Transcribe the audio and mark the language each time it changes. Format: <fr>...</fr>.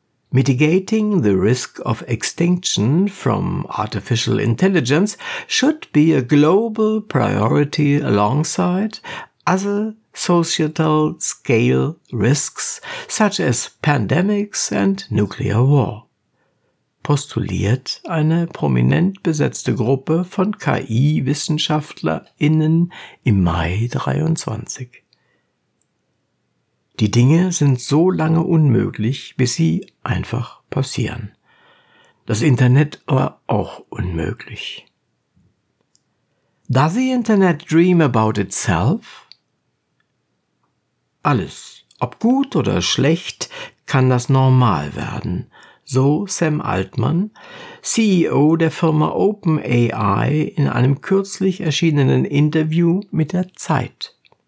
<en>Mitigating the risk of extinction from artificial intelligence should be a global priority alongside other societal scale risks such as pandemics and nuclear war,</en> <de>postuliert eine prominent besetzte Gruppe von KI-WissenschaftlerInnen im Mai 23. Die Dinge sind so lange unmöglich, bis sie einfach passieren. Das Internet war auch unmöglich.</de> <en>Does the Internet dream about itself?</en> <de>Alles, ob gut oder schlecht, kann das normal werden, so Sam Altman, CEO der Firma OpenAI, in einem kürzlich erschienenen Interview mit der Zeit.</de>